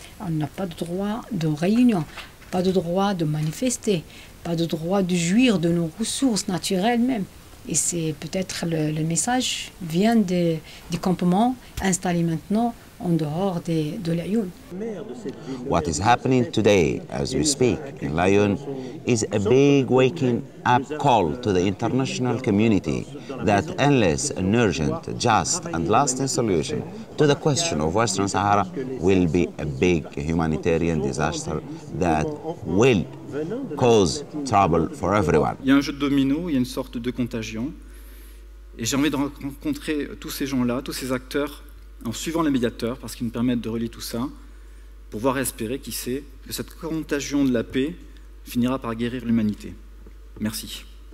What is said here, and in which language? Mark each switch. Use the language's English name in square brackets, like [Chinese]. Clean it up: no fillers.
[French] On n'a pas le droit de réunion, pas le droit de manifester, pas le droit de jouir de nos ressources naturelles même. Et c'est peut-être le message vient des campements installés maintenant en dehors de Laayoune. [English] What is happening today as we speak in Laayoune is a big waking up call to the international community that endless, an urgent, just and lasting solution to the question of Western Sahara will be a big humanitarian disaster that will cause trouble for everyone. [French] Il y a un jeu de domino, il y a une sorte de contagion et j'ai envie de rencontrer tous ces gens-là, tous ces acteurs en suivant les médiateurs, parce qu'ils nous permettent de relier tout ça, pour voir et espérer, qui sait, que cette contagion de la paix finira par guérir l'humanité. Merci.